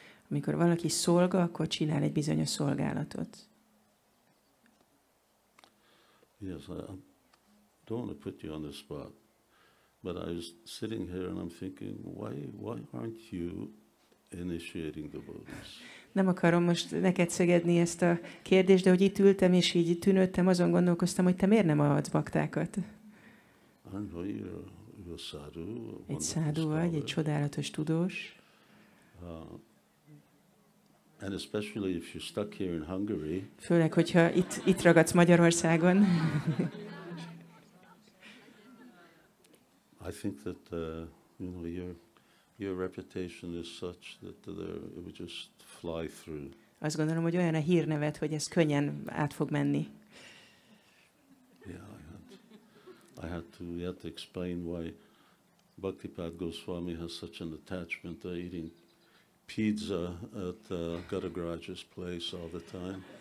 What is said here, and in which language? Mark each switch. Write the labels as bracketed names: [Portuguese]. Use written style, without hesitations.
[Hungarian] Amikor valaki szolga, akkor csinál egy bizonyos szolgálatot. [English] Yes, I don't want to put you on the spot, but I was sitting here and I'm thinking, why aren't you initiating the devotees? [Hungarian] Nem akarom most neked szegedni ezt a kérdést, de hogy itt ültem és így tűnődtem, azon gondolkoztam, hogy te miért nem adsz baktákat? [English] I know you're a sadhu, [Hungarian] egy sadhu vagy, egy csodálatos tudós. [English] And especially if you're stuck here in Hungary. [Hungarian] Főleg, hogyha itt ragadsz Magyarországon. [English] I think that your reputation is such that it would just fly through. [Hungarian] Azt gondolom, hogy olyan a hírneved, hogy ez könnyen át fog menni. [English] Yeah, I had to explain why Bhaktipad Goswami has such an attachment to eating pizza at Gadagraj's place all the time.